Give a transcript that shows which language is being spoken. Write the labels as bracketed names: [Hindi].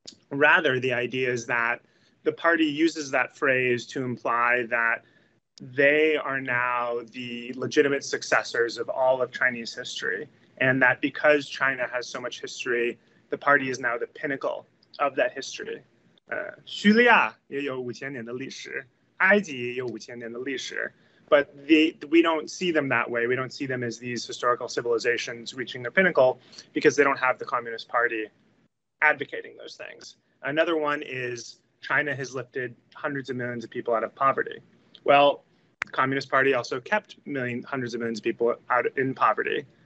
[English] Rather, the idea is that the party uses that phrase to imply that they are now the legitimate successors of all of Chinese history. And that because China has so much history, the party is now the pinnacle of that history. [Chinese] 叙利亚也有5000年的历史，埃及也有5000年的历史。 [English] But we don't see them that way. We don't see them as these historical civilizations reaching the pinnacle because they don't have the Communist Party advocating those things. Another one is China has lifted hundreds of millions of people out of poverty. Well, the Communist Party also kept hundreds of millions of people out in poverty.